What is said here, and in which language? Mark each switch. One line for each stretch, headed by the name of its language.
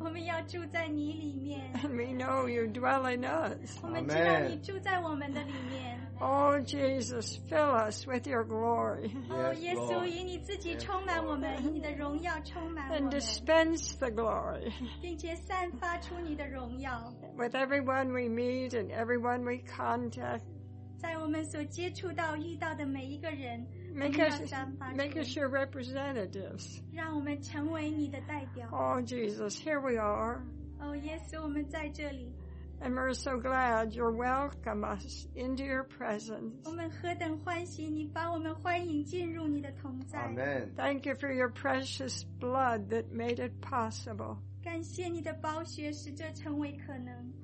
Chinese: 我们要住在你里面。
English: And we know you dwell in us.
Chinese: 我们知道你住在我们的里面。
English: Oh, Jesus, fill us with your glory.
Chinese: Oh, 耶稣，以你自己充满我们，以你的荣耀充满我们。
English: And dispense the glory.
Chinese: 并且散发出你的荣耀。
English: With everyone we meet and everyone we contact.
Chinese: 在我们所接触到、遇到的每一个人。
English: Make us your representatives.
Chinese: 让我们成为你的代表。
English: Oh, Jesus, here we are.
Chinese: Oh, yes, 我们在这里。
English: And we're so glad you welcome us into your presence.
Chinese: 我们何等欢喜你把我们欢迎进入你的同在。
English: Amen. Thank you for your precious blood that made it possible.
Chinese: 感谢你的宝血使这成为可能。